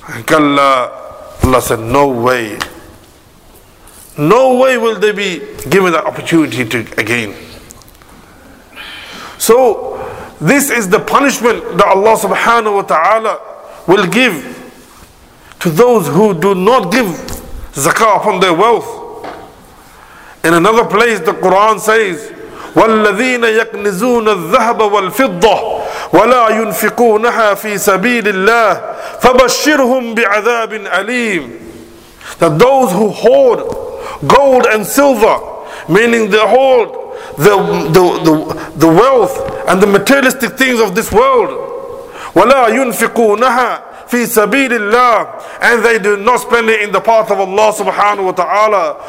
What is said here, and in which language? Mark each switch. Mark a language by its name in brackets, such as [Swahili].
[English] Allah said, "No way. No way will they be given that opportunity to again." So this is the punishment that Allah subhanahu wa ta'ala will give to those who do not give zakah upon their wealth. In another place, the Quran says, [Arabic] وَالَّذِينَ يَقْنِزُونَ الذَّهَبَ وَالْفِضَّةِ وَلَا يُنْفِقُونَهَا فِي سَبِيلِ اللَّهِ فَبَشِّرْهُمْ بِعَذَابٍ أَلِيمٍ. [English] That those who hoard gold and silver, meaning they hoard the wealth and the materialistic things of this world, [Arabic] وَلَا يُنْفِقُونَهَا فِي سَبِيلِ اللَّهِ, [English] and they do not spend it in the path of Allah subhanahu wa ta'ala.